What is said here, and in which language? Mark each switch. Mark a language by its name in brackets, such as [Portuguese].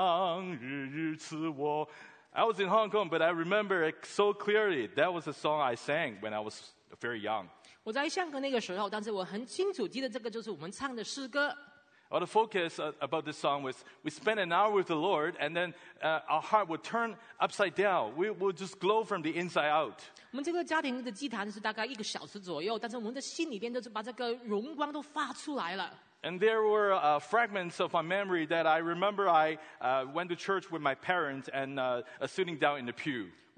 [Chinese] 我说一小时与救主同在，我内心有大改变，随时怜我与恩相助，生命量日日赐我。 [English] I was in Hong Kong, but I remember it so clearly. That was a song I sang when I was very young. [Chinese] 我在香港那个时候，但是我很清楚记得这个就是我们唱的诗歌。 [English] Well, the focus about this song was we spent an hour with the Lord, and then our heart would turn upside down. We would just glow from the inside out. [Chinese] 我们这个家庭的祭坛是大概一个小时左右，但是我们的心里边都是把这个荣光都发出来了。 [English] And there were fragments of my memory that I remember I went to church with my parents and sitting down in the pew.